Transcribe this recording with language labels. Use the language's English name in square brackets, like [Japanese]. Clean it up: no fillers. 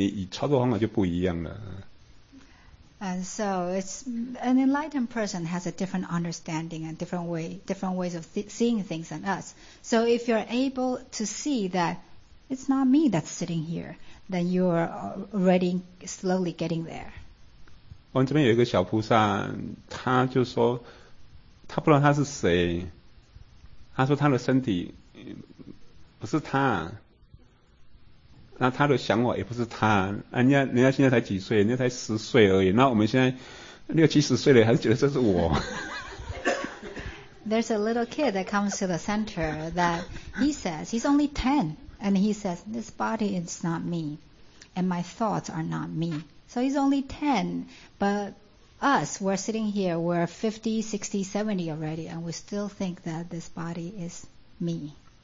[Chinese] 所以这个就是他之间跟你不一样，如果你都可以想到说，诶，坐在这边不是我，那你以操作方法就不一样了。 [English] And so it's an enlightened person has a different understanding and different ways of seeing things than us. So if you're able to see that it's not me that's sitting here, then you're already slowly getting there. [Chinese] 我们这边有一个小菩萨，他就说，他不知道他是谁，他说他的身体不是他。那他的想法也不是他，人家现在才几岁，人家才十岁而已。那我们现在六七十岁了，还是觉得这是我。 [English] There's a little kid that comes to the center that he says he's only 10, and he says this body is not me, and my thoughts are not me. So he's only 10, but us, we're sitting here, we're 50, 60, 70 already, and we still think that this body is me.